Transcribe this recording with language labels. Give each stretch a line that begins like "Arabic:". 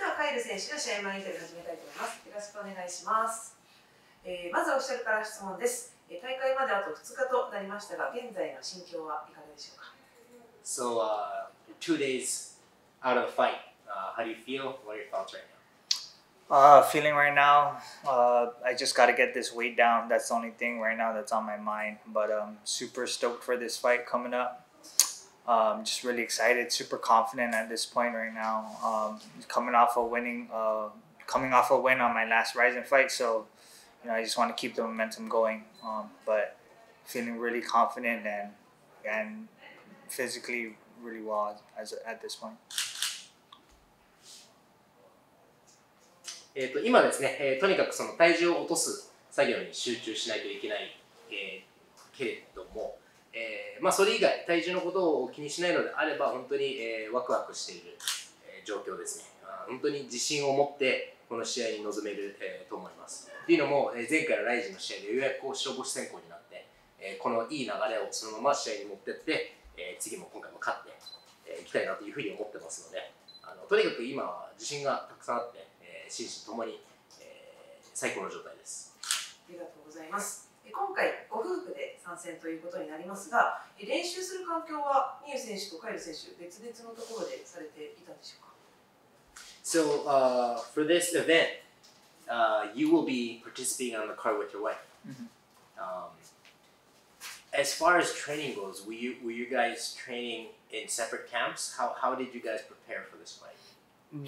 Japanese: イル選手の試合前インタビューを始めたいと思います。よろしくお願いします。まずオフィシャルから質問です。大会まであと2日となりましたが、現在の心境はいかがでしょうか？
English: So, 2 days out of the fight, how do you feel? What are your thoughts right now? Feeling right now, I just got to get this weight down. That's the only thing right now that's on my mind. But I'm super stoked for this fight coming up. Just really excited, super confident at this point right now. Coming off a win on my last Ryzen fight. So, you know, I just want to keep the momentum going. But feeling really confident and physically really well at this point.
Japanese: 今ですね、とにかくその体重を落とす作業に集中しないといけない、けれども、それ以外、体重のことを気にしないのであれば、本当に、ワクワクしている、状況ですね。本当に自信を持ってこの試合に臨める、と思います。というのも、前回のライジンの試合でようやく白星先行になって、このいい流れをそのまま試合に持っていって、次も今回も勝っていきたいなというふうに思ってますので、とにかく今は自信がたくさんあって、心身ともに、最高の状態です。ありがとうございます。今回ご夫婦で参戦ということになりますが、練習する環境はミユ選手とカイル選手別々のところでされていたんでしょうか？
English: So, for this event, you will be participating on the card with your wife. As far as training goes, were you guys training in separate camps? How did you guys prepare for this fight?